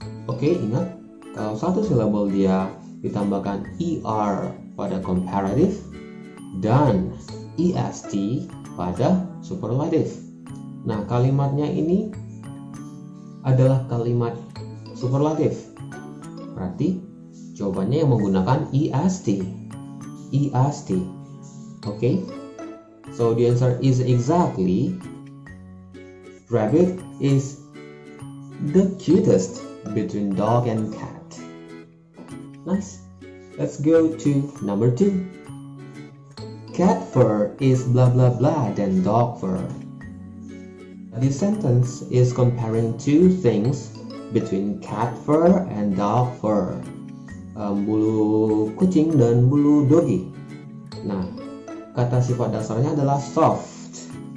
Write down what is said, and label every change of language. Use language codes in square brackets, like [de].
[id] Oke, ingat, kalau satu syllable dia ditambahkan er pada comparative dan est pada superlative. Nah, kalimatnya ini adalah kalimat superlatif. Berarti jawabannya yang menggunakan EST. [en] EST. Okay? So the answer is exactly rabbit is the cutest between dog and cat. Nice. Let's go to number 2. Cat fur is blah blah blah than dog fur. This sentence is comparing two things between cat fur and dog fur. [id] Bulu kucing dan bulu dogi. Nah, kata sifat dasarnya adalah soft.